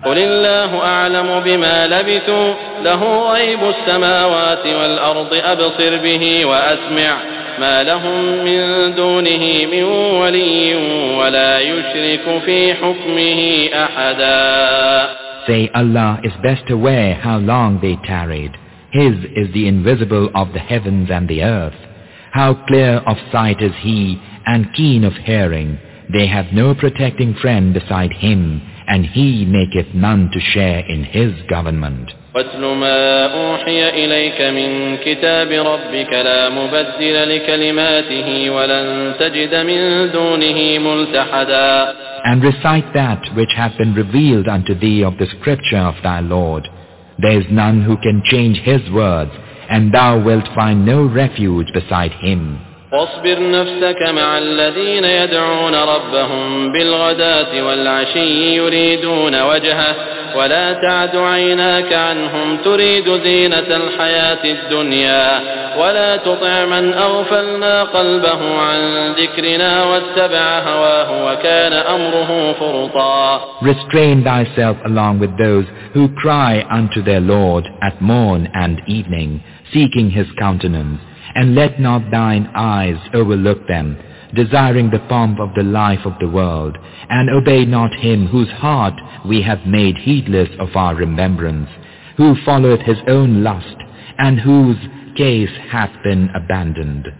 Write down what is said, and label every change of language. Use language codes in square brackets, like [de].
[ar] قل الله أعلم بما لبثوا له غيب السماوات والأرض أبصر به وأسمع ما لهم من دونه من ولي ولا يشرك في حكمه أحدا. [en] Say Allah is best aware how long they tarried. His is the invisible of the heavens and the earth. How clear of sight is he and keen of hearing. They have no protecting friend beside him, and he maketh none to share in his government. [ar] واتل ما أوحي إليك من كتاب ربك لا مبدل لكلماته ولن تجد من دونه ملتحدا. [en] And recite that which hath been revealed unto thee of the scripture of thy Lord. There is none who can change his words, and thou wilt find no refuge beside him. [ar] واصبر نفسك مع الذين يدعون ربهم بالغداة والعشي يريدون وجهه ولا تعد عيناك عنهم تريد زينة الحياة الدنيا ولا تطع من أغفلنا قلبه عن ذكرنا واتبع هواه وكان أمره فرطا. [en] Restrain thyself along with those who cry unto their Lord at morn and evening, seeking his countenance. And let not thine eyes overlook them, desiring the pomp of the life of the world, and obey not him whose heart we have made heedless of our remembrance, who followeth his own lust, and whose case hath been abandoned.